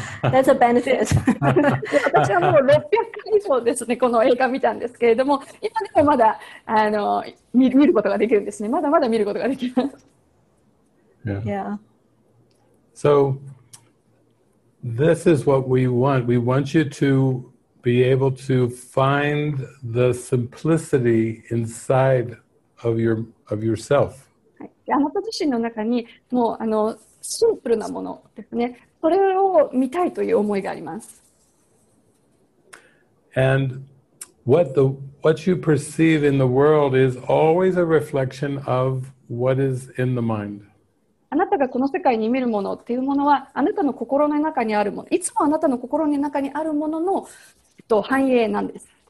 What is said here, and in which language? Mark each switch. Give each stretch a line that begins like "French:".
English: That's a benefit.
Japanese: 私はもう600回以上ですね、この映画見たんですけれども、今でもまだあの見ることができるんですね。まだまだ見ることができます。
English: Yeah. Yeah. So... This is what we want. We want you to be able to find the simplicity inside of yourself.
Japanese: あなた自身の中にもうあのシンプルなものですね。それを見たいという思いがあります。
English: And what you perceive in the world is always a reflection of what is in the mind.
Japanese: あなたがこの世界に見るものっていうものはあなたの心の中にあるもの、いつもあなたの心の中にあるものの反映なんです。